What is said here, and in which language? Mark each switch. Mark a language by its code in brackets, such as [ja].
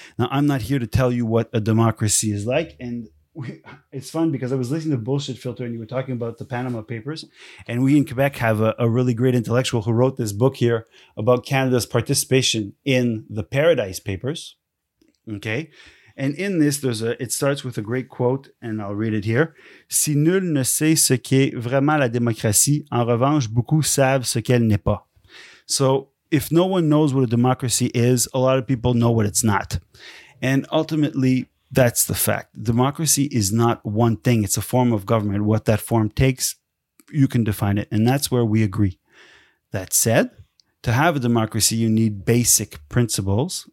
[en] Now, I'm not here to tell you what a democracy is like. And it's fun because I was listening to Bullshit Filter and you were talking about the Panama Papers. And we in Quebec have a really great intellectual who wrote this book here about Canada's participation in the Paradise Papers. Okay. And in this, it starts with a great quote, and I'll read it here. [fr] Si nul ne sait ce qu'est vraiment la démocratie, en revanche, beaucoup savent ce qu'elle n'est pas. [en] So if no one knows what a democracy is, a lot of people know what it's not. And ultimately, that's the fact. Democracy is not one thing. It's a form of government. What that form takes, you can define it. And that's where we agree. That said, to have a democracy, you need basic principles.